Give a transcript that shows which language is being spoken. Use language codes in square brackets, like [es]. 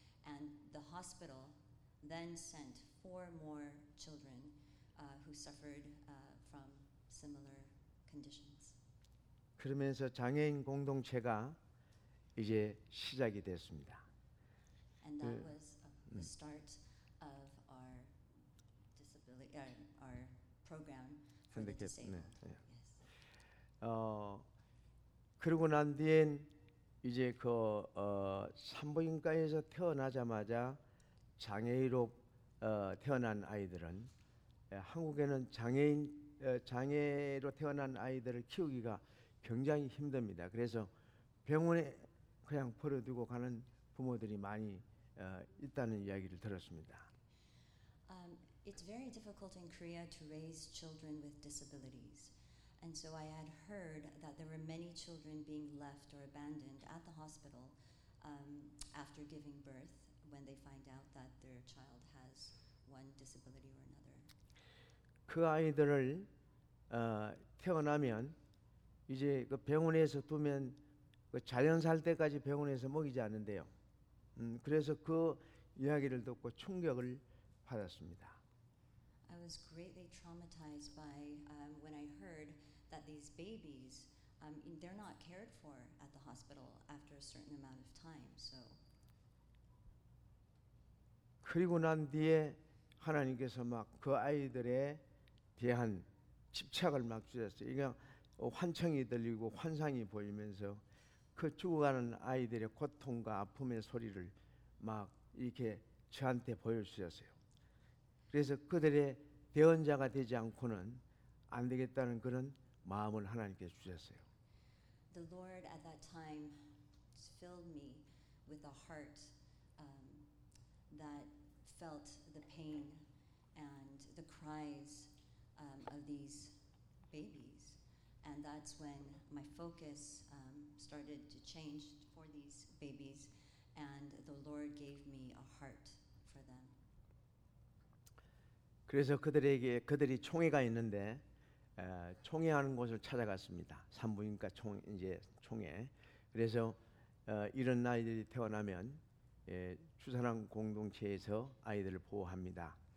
[en] And the hospital then sent four more children who suffered from similar conditions. [ko] 그러면서 장애인 공동체가 이제 시작이 됐습니다. [en] And that was the start of our disability our program for the disabled. [ko] 네, 네. [en] Yes. [ko] 그러고 난 뒤엔 이제 그 산부인과에서 태어나자마자 장애인으로 태어난 아이들은 한국에는 장애로 태어난 아이들을 키우기가 굉장히 힘듭니다. 그래서 병원에 그냥 버려두고 가는 부모들이 많이 있다는 이야기를 들었습니다. [en] It's very difficult in Korea to raise children with disabilities. And so I had heard that there were many children being left or abandoned at the hospital after giving birth when they find out that their child has one disability or another. [ko] 그 아이들을 태어나면 이제 그 병원에서 두면 그 자연살 때까지 병원에서 먹이지 않는데요. 그래서 그 이야기를 듣고 충격을 받았습니다. [en] I was greatly traumatized by when I heard that these babies, they're not cared for at the hospital after a certain amount of time, so. [ko] 그리고 난 뒤에 하나님께서 막 그 아이들에 대한 집착을 막 주셨어요. 그냥 환청이 들리고 환상이 보이면서 그 죽어가는 아이들의 고통과 아픔의 소리를 막 이렇게 저한테 보여주셨어요. 그래서 그들의 대언자가 되지 않고는 안 되겠다는 그런 마음을 하나님께 주셨어요. [en] The Lord at that time filled me with a heart that felt the pain and the cries of these babies. And that's when my focus started to change for these babies and the Lord gave me a heart for them. [ko] 그래서 그들에게 그들이 총회가 있는데 총회하는 곳을 찾아갔습니다. 산부인과 총 이제 총회. 그래서 이런 아이들이 태어나면 출산한 공동체에서 아이들을 보호합니다.